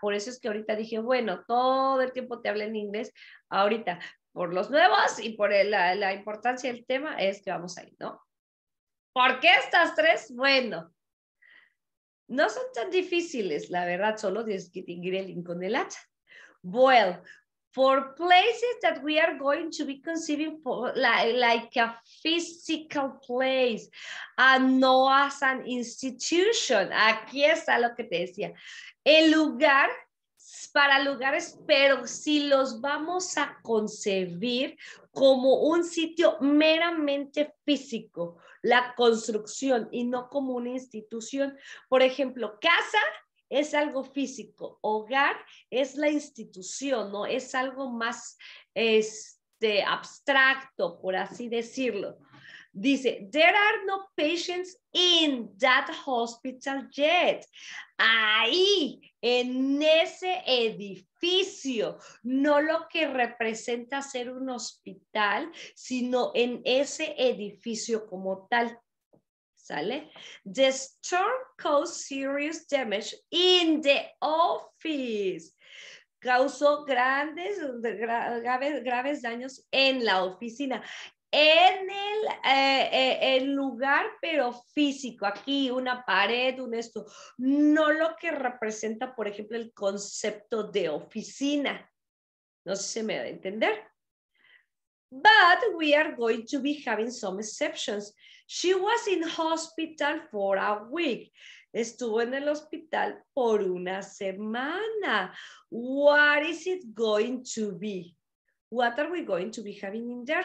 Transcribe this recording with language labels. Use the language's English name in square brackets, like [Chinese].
[Spanish] Por eso es que ahorita dije, bueno, todo el tiempo te hablé en inglés, ahorita por los nuevos y por la importancia del tema es que vamos ahí, ¿no? ¿Por qué estas tres? Bueno, no son tan difíciles, la verdad, solo distinguir el link con el hacha. [English] Well, for places that we are going to be conceiving for, like a physical place and not as an institution. [Spanish] Aquí está lo que te decía. El lugar para lugares, pero si los vamos a concebir como un sitio meramente físico, la construcción y no como una institución. Por ejemplo, casa es algo físico, hogar es la institución, ¿no? Es algo más abstracto, por así decirlo. [English] Dice, there are no patients in that hospital yet. [Spanish] Ahí, en ese edificio, no lo que representa ser un hospital, sino en ese edificio como tal. ¿Sale? [English] The storm caused serious damage in the office. [Spanish] Causó grandes, graves daños en la oficina. En el lugar, pero físico, aquí una pared, un esto, no lo que representa, por ejemplo, el concepto de oficina. No sé si me va a entender. [English] But we are going to be having some exceptions. She was in hospital for a week. [Spanish] Estuvo en el hospital por una semana. [English] What is it going to be? What are we going to be having in there?